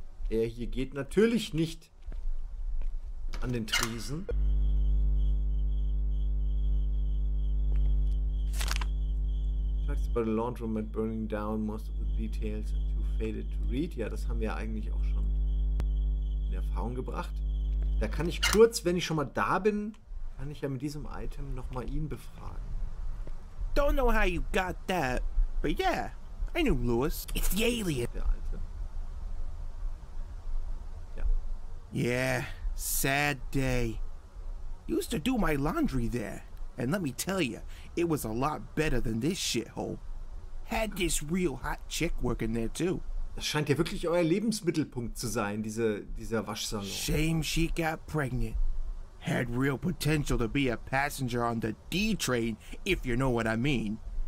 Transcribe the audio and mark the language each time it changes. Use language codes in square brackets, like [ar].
[de] Er hier geht natürlich nicht an den Tresen. [en] Talks about a laundromat burning down, most of the details are too faded to read. [de] Ja, das haben wir ja eigentlich auch schon in Erfahrung gebracht. Da kann ich kurz, wenn ich schon mal da bin, kann ich ja mit diesem Item nochmal ihn befragen. [en] Don't know how you got that, but yeah, I knew Lewis. It's the alien. Yeah, sad day. Used to do my laundry there, and let me tell you, it was a lot better than this shithole. Had this real hot chick working there too. [de] Das scheint ja wirklich euer Lebensmittelpunkt zu sein, dieser Waschsalon. [en] Shame she got pregnant. Had real potential to be a passenger on the D train, if you know what I mean.